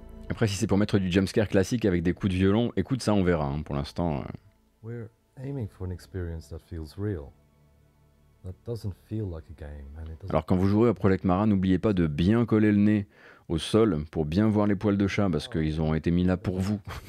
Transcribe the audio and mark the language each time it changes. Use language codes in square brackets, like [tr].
[fr] Après, si c'est pour mettre du jumpscare classique avec des coups de violon, écoute ça, on verra. Hein, pour l'instant. [en] We're aiming for an experience that feels real. That doesn't feel like a game. And it doesn't. [fr] Alors, quand vous jouerez à Project Mara, n'oubliez pas de bien coller le nez au sol pour bien voir les poils de chat, parce qu'ils ont été mis là pour vous.